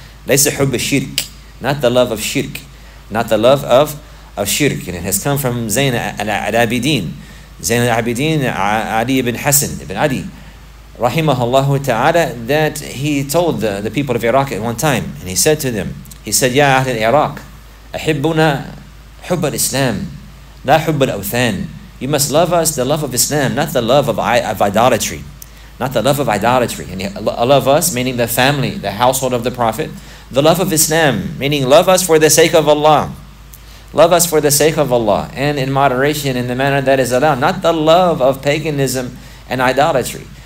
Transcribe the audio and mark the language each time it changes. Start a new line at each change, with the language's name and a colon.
Arabic: Laysa hubba shirk.
English: Not the love of shirk. Not the love of shirk. And it has come from Zayn al-Abidin. Zayn al-Abidin, Ali ibn Hassan ibn Ali, rahimahullahu ta'ala, that he told the people of Iraq at one time, and he said to them, he said,
Arabic: Ya Ahl al-Iraq, ahibbuna حب الإسلام لا حب الأوثان.
English: You must love us the love of Islam, not the love of idolatry. Not the love of idolatry. And Allah of us, meaning the family, the household of the Prophet. The love of Islam, meaning love us for the sake of Allah. Love us for the sake of Allah. And in moderation, in the manner that is allowed. Not the love of paganism and idolatry.